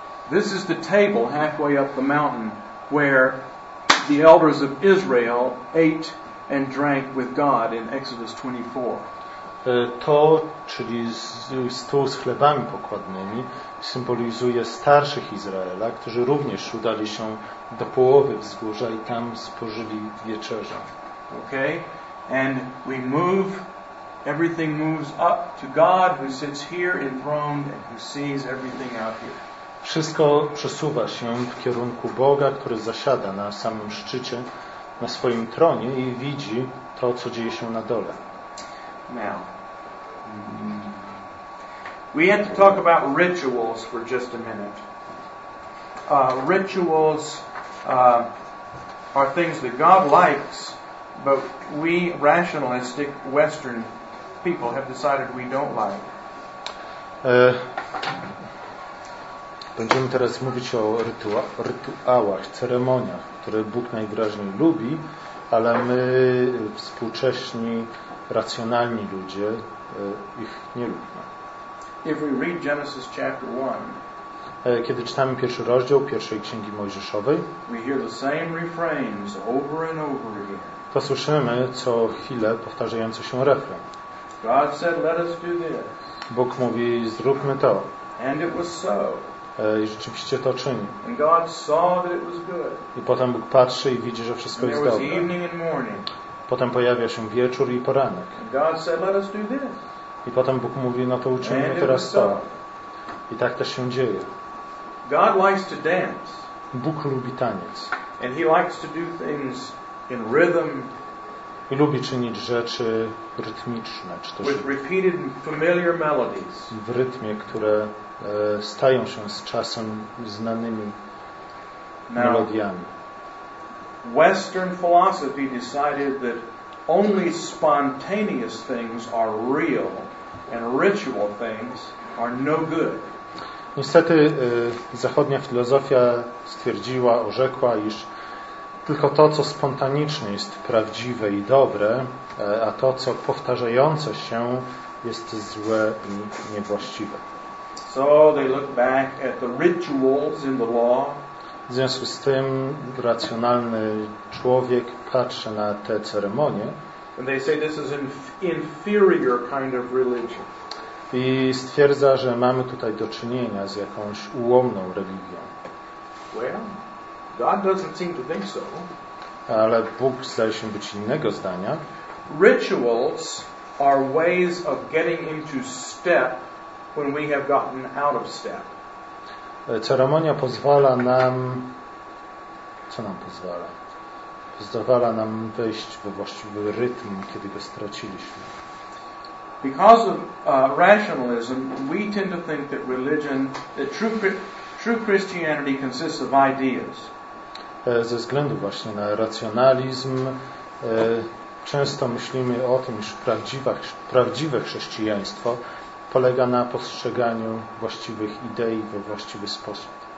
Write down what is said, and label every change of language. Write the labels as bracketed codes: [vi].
[en] This is the table halfway up the mountain where the elders of Israel ate and drank with God in Exodus 24. [pl] To, czyli stół z chlebami pokładnymi, symbolizuje starszych Izraela, którzy również udali się do połowy wzgórza i tam spożyli wieczerzę. [en] Okay, and we move, everything moves up to God who sits here enthroned and who sees everything out here. [pl] Wszystko przesuwa się w kierunku Boga, który zasiada na samym szczycie, na swoim tronie i widzi to, co dzieje się na dole. [en] Now, we have to talk about rituals for just a minute. Rituals are things that God likes. But we rationalistic Western people have decided we don't like. [pl] Będziemy teraz mówić o rytuałach, ceremoniach, które Bóg najwyraźniej lubi, ale my współcześni, racjonalni ludzie ich nie lubimy. [en] If we read Genesis chapter 1, [pl] kiedy czytamy pierwszy rozdział pierwszej księgi Mojżeszowej, [en] we hear the same refrains over and over again. [pl] To słyszymy co chwilę powtarzający się refren. [en] God said, let us do this. [pl] Bóg mówi, zróbmy to. [en] And it was so. [pl] I rzeczywiście to czyni. [en] And God saw that it was good. [pl] I potem Bóg patrzy i widzi, że wszystko [en] and [pl] jest dobre. [en] There was evening and morning. [pl] Potem pojawia się wieczór i poranek. [en] And God said, let us do this. [pl] I potem Bóg mówi, no to uczynimy teraz to. I tak też się dzieje. [en] God likes to dance. [pl] Bóg lubi taniec. [en] And he likes to do things in rhythm, [pl] i lubi czynić rzeczy rytmiczne, czy też [en] with repeated familiar melodies, [pl] w rytmie, które stają się z czasem znanymi melodiami. [en] Western philosophy decided that only spontaneous things are real and ritual things are no good. [pl] Niestety zachodnia filozofia stwierdziła, orzekła, iż tylko to, co spontanicznie jest prawdziwe i dobre, a to, co powtarzające się, jest złe i niewłaściwe. [en] So they look back at the rituals in the law. [pl] W związku z tym racjonalny człowiek patrzy na te ceremonie. [en] And they say this is an inferior kind of religion. [pl] I stwierdza, że mamy tutaj do czynienia z jakąś ułomną religią. [en] Well, God doesn't seem to think so. [pl] Ale Bóg zdaje się być innego zdania. [en] Rituals are ways of getting into step when we have gotten out of step. [pl] Ceremonia pozwala nam, co nam pozwala? Pozwala nam wejść we właściwy rytm, kiedy go straciliśmy. [en] Because of rationalism, we tend to think that religion, that true Christianity consists of ideas. [pl] Ze względu właśnie na racjonalizm Często myślimy o tym, iż prawdziwe chrześcijaństwo polega na postrzeganiu właściwych idei we właściwy sposób.